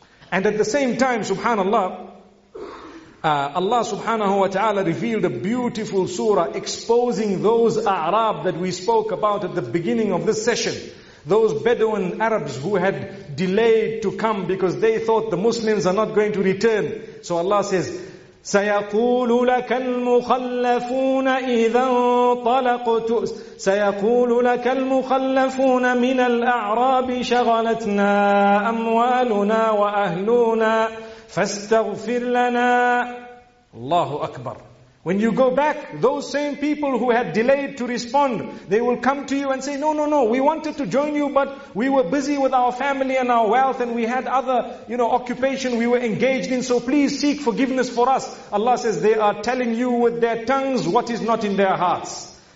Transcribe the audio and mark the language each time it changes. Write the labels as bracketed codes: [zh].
[en] And at the same time, subhanallah, Allah subhanahu wa ta'ala revealed a beautiful surah exposing those A'rab that we spoke about at the beginning of this session. Those Bedouin Arabs who had delayed to come because they thought the Muslims are not going to return. So Allah says, [ar] سَيَقُولُ لَكَ الْمُخَلَّفُونَ إِذَا انطَلَقْتُ سَيَقُولُ لَكَ الْمُخَلَّفُونَ مِنَ الْأَعْرَابِ شَغَلَتْنَا أَمْوَالُنَا وَأَهْلُونَا فَاسْتَغْفِرْ لَنَا. Allahu Akbar. [en] When you go back, those same people who had delayed to respond, they will come to you and say, no, we wanted to join you, but we were busy with our family and our wealth, and we had other, you know, occupation we were engaged in, so please seek forgiveness for us. Allah says, they are telling you with their tongues what is not in their hearts.